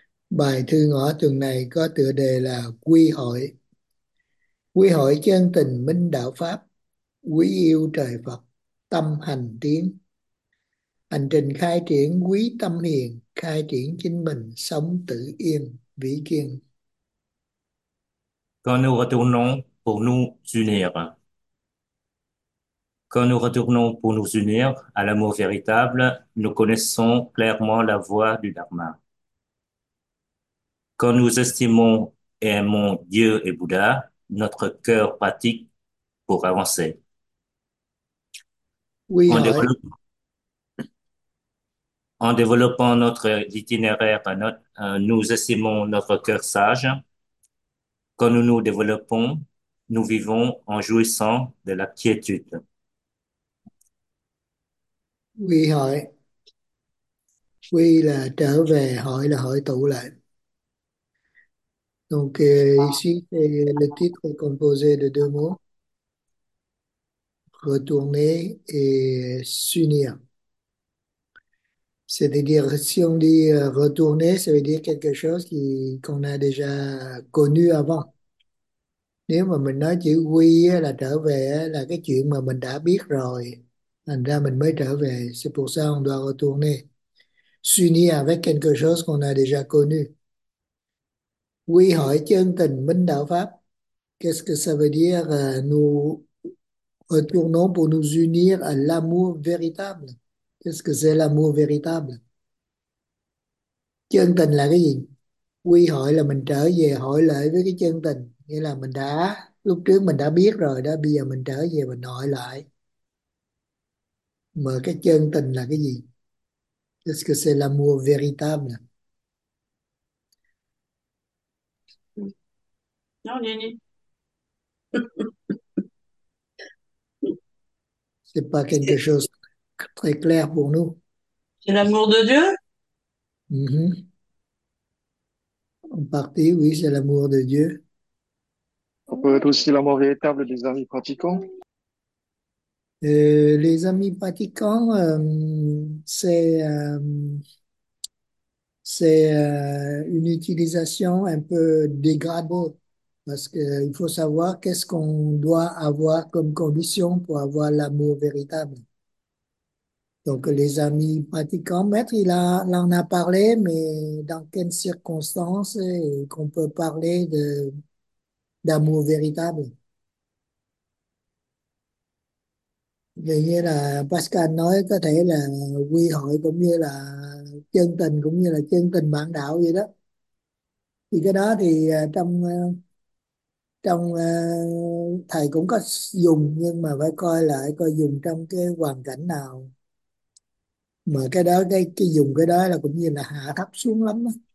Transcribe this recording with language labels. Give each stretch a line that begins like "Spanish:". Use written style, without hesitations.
Vietnamese: Bài thư ngỏ tuần này có tựa đề là Quy hội. Quy hội chân tình minh đạo Pháp, quý yêu trời Phật, tâm hành tiến. Hành trình khai triển quý tâm hiền, khai triển chính mình sống tự yên, vĩ kiên.
French: Quand nous retournons pour nous unir. Quand nous retournons pour nous unir à l'amour véritable, nous connaissons clairement la voie du Dharma. Quand nous estimons et aimons Dieu et Bouddha, notre cœur pratique pour avancer.
Vietnamese: Quy
French: En
Vietnamese: hội.
French: développant notre itinéraire, nous estimons notre cœur sage. Quand nous nous développons, nous vivons en jouissant de la quiétude.
Vietnamese: Quy hội. Quy là trở về, hội là hội tụ lại.
French: Donc, ici, c'est le titre composé de deux mots. Retourner et s'unir. C'est-à-dire, si on dit retourner, ça veut dire quelque chose qu'on a déjà connu avant.
Vietnamese: Nếu mà mình nói chữ quy là trở về, là cái chuyện mà mình đã biết rồi, thành ra mình mới trở về.
French: C'est pour ça on doit retourner. S'unir avec quelque chose qu'on a déjà connu.
Vietnamese: Quy hội chân tình minh đạo Pháp.
French: Qu'est-ce que ça veut dire nous retournons pour nous unir à l'amour véritable. Qu'est-ce que c'est l'amour véritable?
Vietnamese: Chân tình là cái gì? Quy hội là mình trở về hội lại với cái chân tình. Nghĩa là mình đã, lúc trước mình đã biết rồi đó, bây giờ mình trở về mình hội lại. Mà cái chân tình là cái gì?
French: Qu'est-ce que c'est l'amour véritable? C'est pas quelque chose de très clair pour nous. L'amour de Dieu? En partie, oui, c'est l'amour de Dieu. On peut être aussi l'amour véritable des amis pratiquants. Les amis pratiquants, c'est une utilisation un peu dégradante. Parce qu'il faut savoir qu'est-ce qu'on doit avoir comme condition pour avoir l'amour véritable. Donc, les amis pratiquants, maître, il en a parlé, mais dans quelles circonstances qu'on peut parler d'amour véritable?
Vietnamese: Nghĩa là Pascal nói có thể là quy hội cũng như là chân tình, cũng như là chân tình bạn đạo vậy đó. Thì cái đó thì trong thầy cũng có dùng, nhưng mà phải coi lại coi dùng trong cái hoàn cảnh nào, mà cái đó cái dùng cái đó là cũng như là hạ thấp xuống lắm đó.